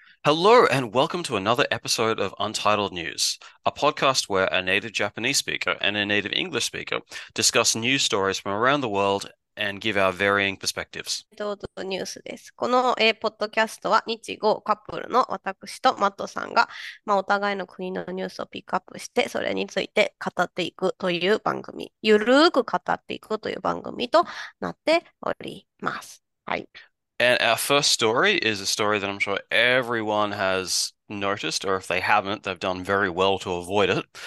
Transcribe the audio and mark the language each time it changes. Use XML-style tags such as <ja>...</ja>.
<en>Hello, and welcome to another episode of Untitled News, a podcast where a native Japanese speaker and a native English speaker discuss news stories from around the world and give our varying perspectives.</en> <ja>ニュースです。このポッドキャストは日豪カップルの私とマットさんが、お互いの国のニュースをピックアップして、それについて語っていくという番組、ゆるーく語っていくという番組となっております。はい。</ja> <en>And our first story is a story that I'm sure everyone has noticed, or if they haven't, they've done very well to avoid it.</en>